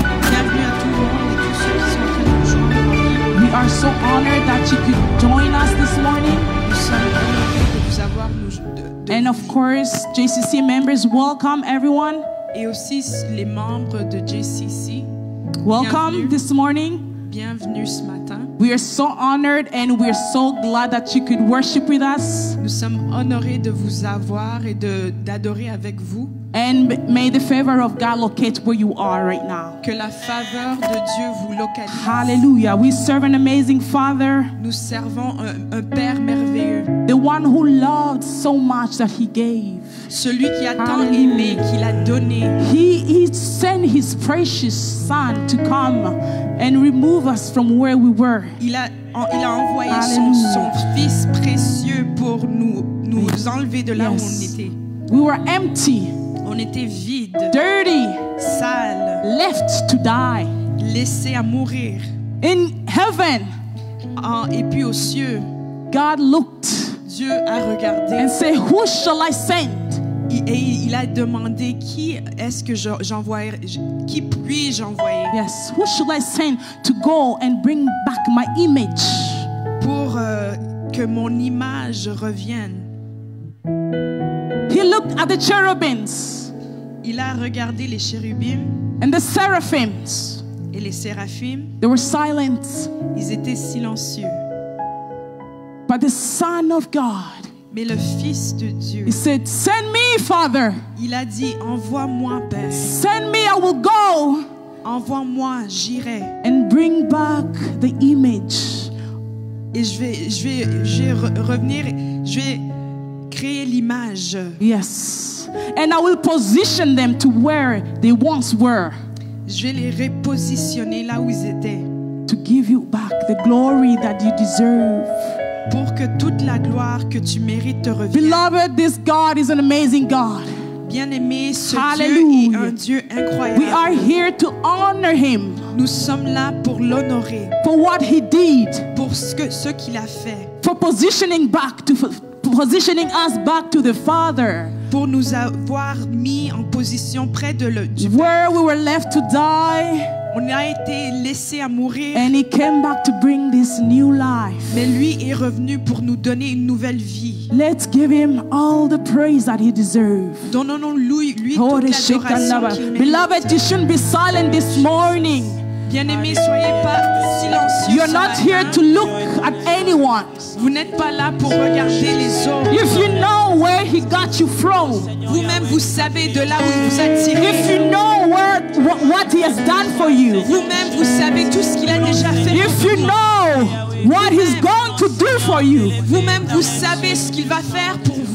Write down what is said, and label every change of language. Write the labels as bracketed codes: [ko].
[fr] Bienvenue à tout le monde et tous ceux qui sont en train de joindre. [en] We are so honored that you could join us this morning. [fr] Nous sommes heureux de vous avoir. [en] And of course, JCC members, welcome everyone. [fr] Et aussi les membres de JCC. [en] Welcome this morning. [fr] Bienvenue ce matin. [en] We are so honored and we are so glad that you could worship with us. [fr] Nous sommes honorés de vous avoir et de d'adorer avec vous. [en] And may the favor of God locate where you are right now. [fr] Que la faveur de Dieu vous localise. [en] Hallelujah. We serve an amazing Father. [fr] Nous servons un Père merveilleux. [en] The one who loved so much that he gave. [fr] Celui qui a tant aimé, qu'il a donné. [en] He sent his precious son to come and remove us from where we were. [fr] Il a envoyé son fils précieux pour nous enlever de là où on était. [en] We were empty. [fr] On était vide. [en] Dirty. [fr] Sale. [en] Left to die. [fr] Laissé à mourir. [en] In heaven. [fr] Et puis aux cieux. [en] God looked. [fr] Dieu a regardé. [en] And said, "Who shall I send?" [fr] Et il a demandé qui est-ce que qui puis-je envoyer? [en] Yes, who should I send to go and bring back my image? [fr] Pour que mon image revienne. [en] He looked at the cherubims. [fr] Il a regardé les chérubins. [en] And the seraphims. [fr] Et les séraphims. [en] They were silent. [fr] Ils étaient silencieux. [en] But the Son of God. [fr] Mais le Fils de Dieu. [en] He said, "Send me, Father." [fr] Il a dit, "Envoie-moi, Père." [en] "Send me, I will go." [fr] "Envoie-moi, j'irai." [en] "And bring back the image." [fr] Et je vais revenir, je vais créer l'image. [en] Yes. "And I will position them to where they once were." [fr] Je vais les repositionner là où ils étaient. [en] "To give you back the glory that you deserve." [fr] Pour que toute la gloire que tu mérites te revienne. [en] Beloved, this God is an amazing God. [fr] Bien-aimé, ce Hallelujah. Dieu est un Dieu incroyable. [en] We are here to honor him. [fr] Nous sommes là pour l'honorer. [en] For what he did. [fr] Pour ce qu'il a fait. [en] For positioning us back to the Father. [fr] Pour nous avoir mis en position près de Dieu. [en] Where we were left to die. [fr] On a été laissé à mourir. [en] And he came back to bring this new life. [fr] Mais lui est revenu pour nous donner une nouvelle vie. [en] Let's give him all the praise that he deserves. [fr] Donnons-lui toute l'adoration qu'il mérite. [en] Beloved, you shouldn't be silent this morning. [fr] Bien-aimé, soyez pas silencieux. [en] You're not here to look at anyone. [fr] Vous n'êtes pas là pour regarder les autres. [en] If you know where he got you from, [fr] vous-même vous savez de là où il vous a tiré. [en] If you know what he has done for you, [fr] vous-même vous savez tout ce qu'il a déjà fait. [en] If you know what he's going to do for you, [fr] vous-même vous savez ce qu'il va faire pour vous.